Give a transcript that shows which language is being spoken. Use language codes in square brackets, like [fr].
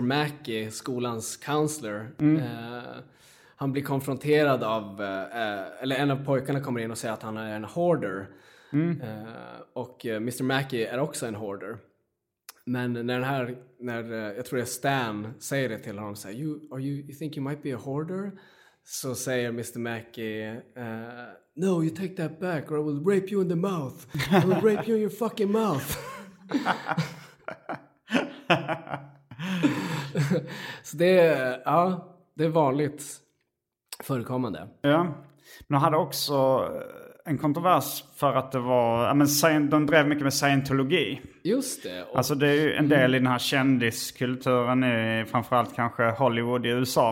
[sv] Mackey, skolans counselor, han blir konfronterad av, eller en av pojkarna kommer in och säger att han är en hoarder. Mm. Och Mr. Mackey är också en hoarder. Men när den här, när jag tror det är Stan, säger det till honom, säger, [en] you think you might be a hoarder? [sv] Så säger Mr. Mackey... [en] No, you take that back or I will rape you in the mouth. I will rape you in your fucking mouth. [sv] Så det är, ja, det är vanligt förekommande. Ja, men jag hade också en kontrovers för att det var... Men de drev mycket med Scientology. Just det. Och, alltså det är ju en del i den här kändiskulturen, framförallt kanske Hollywood i USA.